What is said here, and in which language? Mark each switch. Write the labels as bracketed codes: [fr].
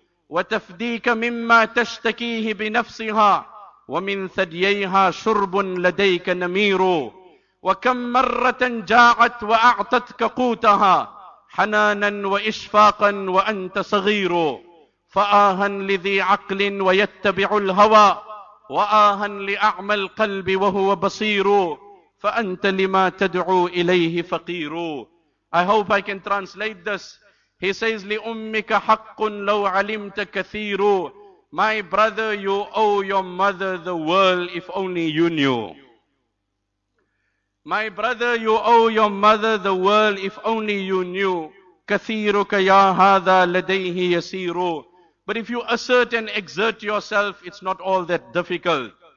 [ar] وَتَفْدِيكَ مِمَّا تَشْتَكِيهِ بِنَفْسِهَا وَمِنْ ثَدْيَيْهَا شُرْبٌ لَدَيْكَ نَمِيرٌ وَكَمْ مَرَّةً جَاعَتْ وَأَعْطَتْكَ قُوتَهَا حَنَانًا وَإِشْفَاقًا وَأَنْتَ صَغِيرٌ فَآهًا لِذِي عَقْلٍ وَيَتَّبِعُ الْهَوَى وَآهًا لِأَعْمَى الْقَلْبِ وَهُوَ بَصِيرٌ فَأَنْتَ لِمَا تَدْعُو إِلَيْهِ فَقِيرٌ. [en] I hope I can translate this. He says, [ar] لِأُمِّكَ حَقٌ لَوْ عَلِمْتَ كَثِيرُ. [en] My brother, you owe your mother the world if only you knew. My brother, you owe your mother the world if only you knew. [ar] كَثِيرُكَ يَا هَذَا لَدَيْهِ يَسِيرُ. [en] But if you assert and exert yourself, it's not all that difficult.